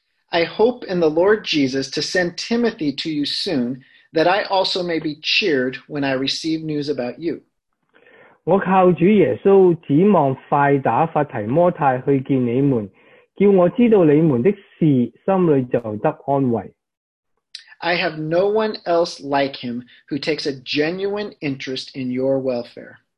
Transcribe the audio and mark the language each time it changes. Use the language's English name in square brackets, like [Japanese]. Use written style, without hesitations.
[English] I hope in the Lord Jesus to send Timothy to you soon, that I also may be cheered when I receive news about you. [Chinese] 我靠主耶稣指望快打发提摩太去见你们，叫我知道你们的事，心里就得安慰。 [English] I have no one else like him who takes a genuine interest in your welfare.